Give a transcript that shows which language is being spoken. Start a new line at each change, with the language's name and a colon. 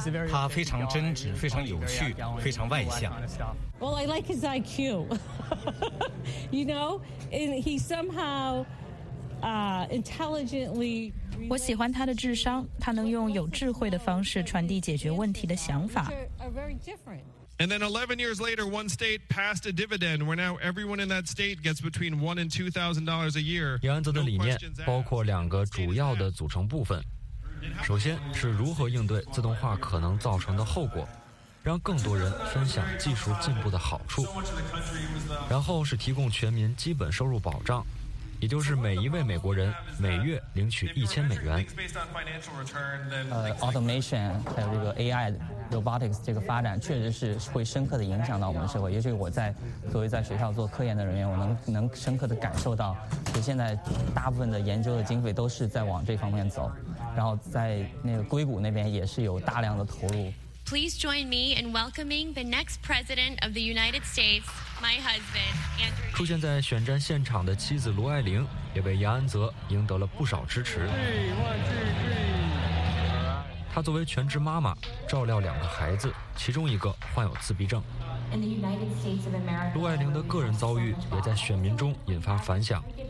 Chinese: 他非常真挚，非常有趣，非常外向。
English: Well, I like his IQ. You know, and he somehow intelligently.
Chinese: 我喜欢他的智商，他能用有智慧的方式传递解决问题的想法。
English: And then 11 years later, one state passed a dividend where now everyone in that state gets between $1,000 and $2,000 a year.
Chinese: 杨安泽的理念包括两个主要的组成部分。首先是如何应对自动化可能造成的后果，让更多人分享技术进步的好处，然后是提供全民基本收入保障，也就是每一位美国人每月领取$1,000。 Automation 还有这个 AI robotics 这个发展确实是会深刻的影响到我们社会，也许我在作为在学校做科研的人员，我能深刻的感受到，就现在大部分的研究的经费都是在往这方面走，然后在那个硅谷那边也是有大量的投入。
English: Please join me in welcoming the next president of the United States, my husband, Andrew.
Chinese: 出现在选战现场的妻子卢爱玲也为杨安泽赢得了不少支持。她作为全职妈妈，照料两个孩子，其中一个患有自闭症。卢爱玲的个人遭遇也在选民中引发反响。